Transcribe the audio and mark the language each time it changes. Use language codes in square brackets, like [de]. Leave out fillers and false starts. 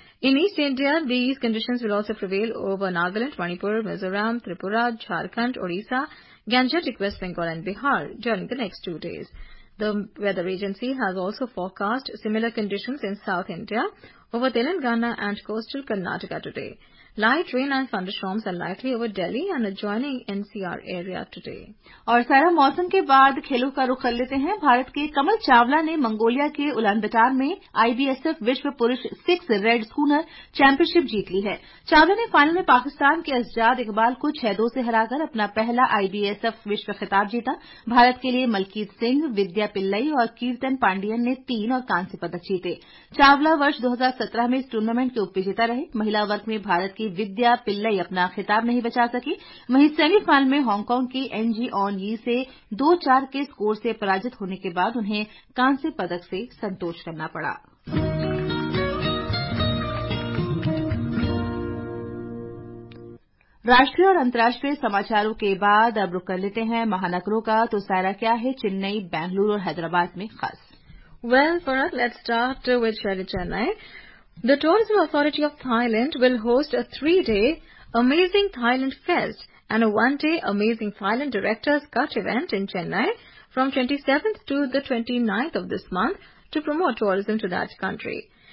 [en] In East India, these conditions will also prevail over Nagaland, Manipur, Mizoram, Tripura, Jharkhand, Orissa, Gangetic West Bengal and Bihar during the next 2 days. The weather agency has also forecast similar conditions in South India over Telangana and coastal Karnataka today. Light rain and thunderstorms are likely over Delhi and adjoining NCR area today. [hi] और सारा मौसम के बाद खेलों का रुख कर लेते हैं। भारत के कमल चावला ने मंगोलिया के उलानबटार में IBSF विश्व पुरुष 6 रेड स्कूनर चैंपियनशिप जीत ली है। चावला ने फाइनल में पाकिस्तान के अज्जाद इकबाल को 6-2 से हराकर अपना पहला IBSF विश्व खिताब जीता। भारत के लिए मलकीत सिंह, विद्या पिल्लई और कीर्तन पांडियन ने 3 और कांस्य पदक जीते। चावला वर्ष 2017 में इस टूर्नामेंट के उपविजेता रहे। महिला वर्ग में भारत की विद्या पिल्लई अपना खिताब नहीं बचा सकी। वहीं सेमीफाइनल में हांगकांग की एनजी ऑन यी से 2-4 के स्कोर से पराजित होने के बाद उन्हें कांस्य पदक से संतोष करना पड़ा। राष्ट्रीय और अंतर्राष्ट्रीय समाचारों के बाद अब रुख कर लेते हैं महानगरों का, तो सारा क्या है चेन्नई, बेंगलुरु और हैदराबाद में खास। [en] Well for us let's start with Chennai. The Tourism Authority of Thailand will host a 3-day Amazing Thailand Fest and a 1-day Amazing Thailand Directors Cut event in Chennai from 27th to the 29th of this month to promote tourism to that country.